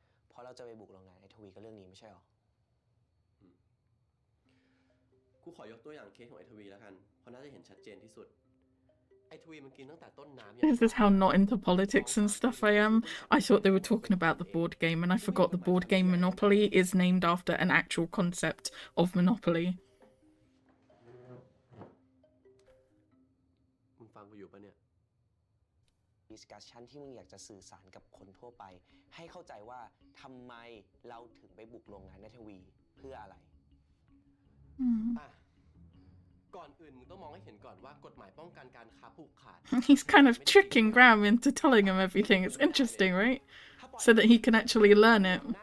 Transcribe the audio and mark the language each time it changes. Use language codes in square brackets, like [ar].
[th] เพราะเราจะไปบุกโรงงานไอทวีก็เรื่องนี้ไม่ใช่หร อกูขอยกตัวอย่างเคสของไอทวีแล้วกันเพราะน่าจะเห็นชัดเจนที่สุดไอทวีมันกินตั้งแต่ต้นน้ำ [en] This is how not into politics and stuff I am. I thought they were talking about the board game and I forgot the board game Monopoly is named after an actual concept of Monopoly. [th] มึงฟังกูอยู่ปะเนี่ย Discussion ที่มึงอยากจะสื่อสารกับคนทั่วไปให้เข้าใจว่าทำไมเราถึงไปบุกโรงงานนาทวีเพื่ออะไร ก่อนอื่นมึงต้องมองให้เห็นก่อนว่ากฎหมายป้องกันการค้าผูกขาด [en] He's kind of tricking Graham into telling him everything. It's interesting, right? So that he can actually learn it.